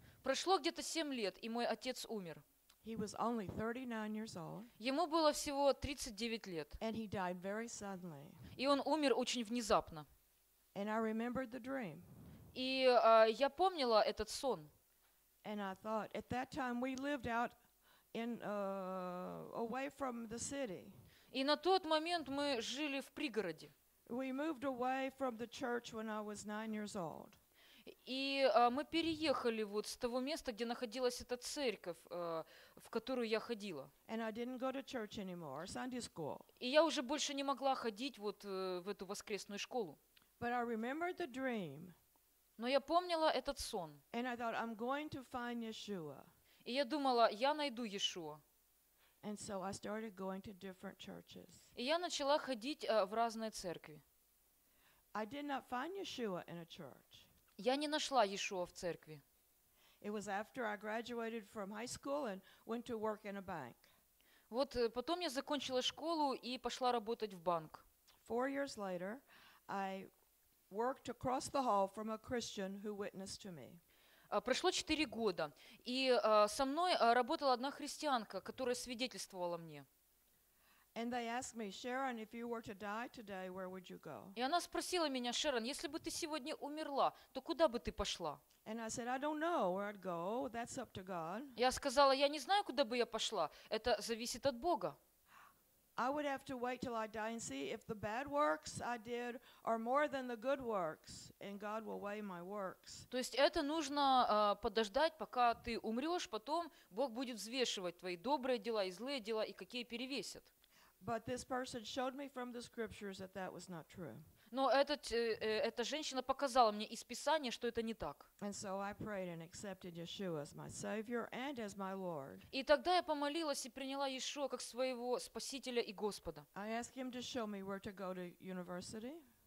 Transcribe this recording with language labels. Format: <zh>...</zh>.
<ru>Прошло где-то 7 лет, и мой отец умер.</ru> <en>He was only 39 years old.</en> <ru>Ему было всего 39 лет.</ru> <en>And he died very suddenly.</en> <ru>И он умер очень внезапно.</ru> <en>And I remembered the dream.</en> <ru>И я помнила этот сон.</ru> <en>And I thought, at that time we lived out in away from the city.</en> <ru>И на тот момент мы жили в пригороде.</ru> <en>We moved away from the church when I was 9 years old.</en> <ru>И мы переехали вот с того места, где находилась эта церковь, в которую я ходила.</ru> <en>And I didn't go to church anymore, Sunday school.</en> <ru>И я уже больше не могла ходить вот в эту воскресную школу.</ru> <en>But I remembered the dream.</en> <ru>Но я помнила этот сон.</ru> <en>And I thought, I'm going to find Yeshua.</en> <ru>И я думала, я найду Иешуа.</ru> <en>And so I started going to different churches.</en> <ru>И я начала ходить в разные церкви.</ru> <en>I did not find Yeshua in a church.</en> <ru>Я не нашла Иешуа в церкви.</ru> <en>It was after I graduated from high school and went to work in a bank.</en> <ru>Вот потом я закончила школу и пошла работать в банк.</ru> <en>4 years later, I worked across the hall from a Christian who witnessed to me.</en> <ru>Прошло 4 года, и со мной работала одна христианка, которая свидетельствовала мне.</ru> <en>And they asked me, Sharon, if you were to die today, where would you go?</en> <ru>И она спросила меня: Шэрон, если бы ты сегодня умерла, то куда бы ты пошла?</ru> <en>And I said, I don't know where I'd go. That's up to God.</en> <ru>Я сказала: я не знаю, куда бы я пошла. Это зависит от Бога.</ru> <en>I would have to wait till I die and see if the bad works I did are more than the good works, and God will weigh my works.</en> <ru>То есть это нужно подождать, пока ты умрешь, потом Бог будет взвешивать твои добрые дела и злые дела, и какие перевесят.</ru> <en>But this person showed me from the scriptures that that was not true.</en> <ru>Но эта женщина показала мне из Писания, что это не так.</ru> <en>And so I prayed and accepted Yeshua as my Savior and as my Lord.</en> <ru>И тогда я помолилась и приняла Иешуа как своего Спасителя и Господа.</ru> <en>I asked him to show me where to go to university.</en>